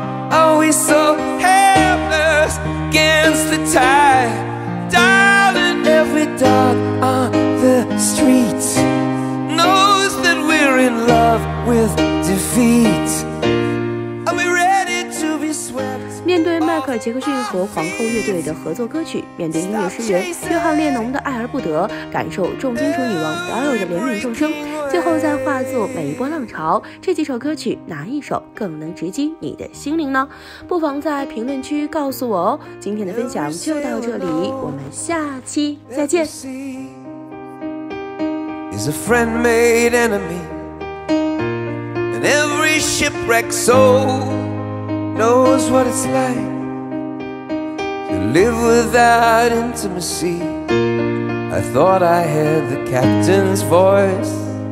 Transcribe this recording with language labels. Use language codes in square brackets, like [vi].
[en] Are we so helpless against the tide? Darling, every dog on the street knows that we're in love with defeat. Are we ready to be swept? [zh] 面对迈克尔·杰克逊和皇后乐队的合作歌曲，面对音乐诗人约翰·列侬的爱而不得，感受重金属女王 Doro 的怜悯众生。最后再化作每一波浪潮，这几首歌曲哪一首更能直击你的心灵呢？不妨在评论区告诉我哦。今天的分享就到这里，我们下期再见。 [en] Is a friend made enemy, and every shipwrecked soul knows what it's like to live without intimacy. I thought I heard the captain's voice.